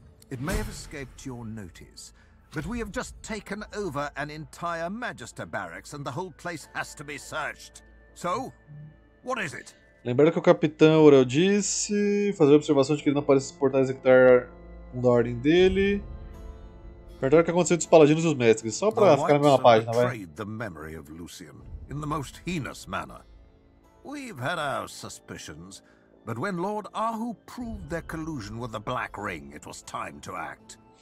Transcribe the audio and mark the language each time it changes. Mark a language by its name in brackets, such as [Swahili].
[English] It may have escaped your notice, but we have just taken over an entire Magister barracks and the whole place has to be searched. So, what is it? [Portuguese] Lembrando que o Capitão Aurel disse fazer a observação de que ele não parece suportar executar um da ordem dele. Perdão, o que aconteceu entre os paladinos e os mestres, só pra ficar na mesma página, vai. [English] Betrayed the memory of Lucian in the most heinous manner. We've had our suspicions, but when Lord Ahu proved their collusion with the Black Ring, it was time to act.